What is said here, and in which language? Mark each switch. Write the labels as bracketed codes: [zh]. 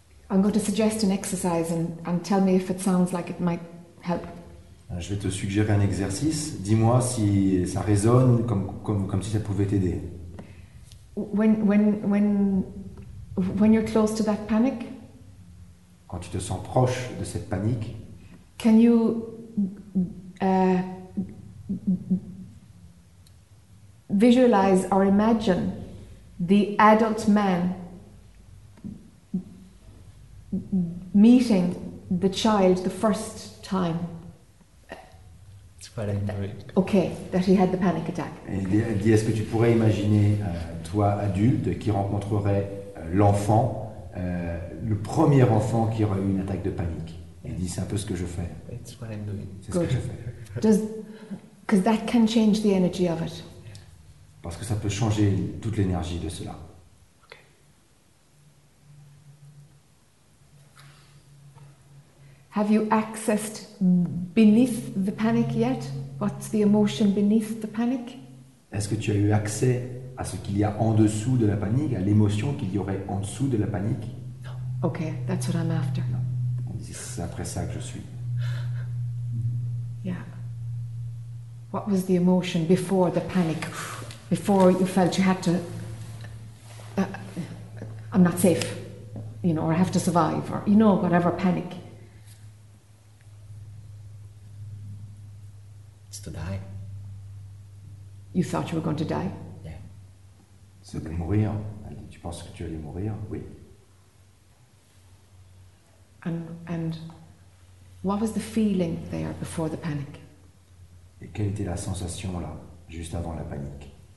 [en] I'm going to suggest an exercise and tell me if it sounds like it might help. [fr] Je vais te suggérer un exercice. Dis-moi si ça résonne comme si ça pouvait t'aider. [en] When you're close to that panic. [fr] Quand tu te sens proche de cette panique. [en] Can you visualize or imagine the adult man meeting the child the first time? It's quite angry. Okay, that he had the panic attack. [fr] Dis, est-ce que tu pourrais imaginer toi adulte qui rencontrerait l'enfant, le premier enfant qui aurait eu une attaque de panique? Il dit, c'est un peu ce que je fais. [en] It's what I'm doing. [fr] C'est good. Ce que je fais. [en] Because that can change the energy of it. [fr] Parce que ça peut changer toute l'énergie de cela. [en] Okay. Have you accessed beneath the panic yet? What's the emotion beneath the panic? [fr] Est-ce que tu as eu accès à ce qu'il y a en dessous de la panique, à l'émotion qu'il y aurait en dessous de la panique? [en] No. Okay, that's what I'm after. [fr] Non. C'est après ça que je suis. [en] Yeah. What was the emotion before the panic? Before you felt you had to. I'm not safe, you know, or I have to survive, or, you know, whatever panic. It's to die. You thought you were going to die? Yeah. [fr] C'est de mourir. Elle dit, tu penses que tu allais mourir? Oui. [en] And what was the feeling there before the panic? [fr] Et quelle était la sensation là, juste avant la panique?